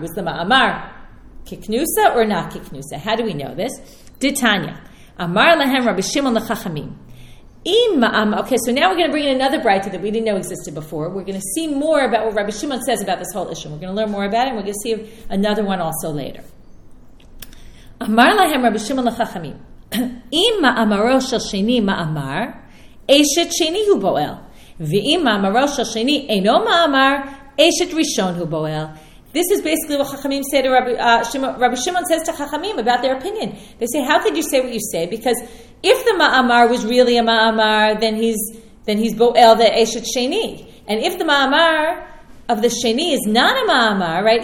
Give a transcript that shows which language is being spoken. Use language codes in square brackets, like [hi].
[en] Was the ma'amar kiknusa or not kiknusa? How do we know this? D'tanya. [he] Amar lehem Rabbi Shimon l'chachamim. [en] Okay, so now we're going to bring in another brayta that we didn't know existed before. We're going to see more about what Rabbi Shimon says about this whole issue. We're going to learn more about it, and we're going to see another one also later. [he] Amar lahem Rabbi Shimon l'chachamim. אם מאמרו של שני מאמר, אשת שני הוא בועל. ואם מאמרו של שני אינו מאמר, אשת ראשון הוא בועל. [en] This is basically what Chachamim say to Rabbi Shimon says to Chachamim about their opinion. They say, how could you say what you say? Because if the ma'amar was really a ma'amar, then he's bo'el the eshet sheni. And if the ma'amar of the sheni is not a ma'amar, right?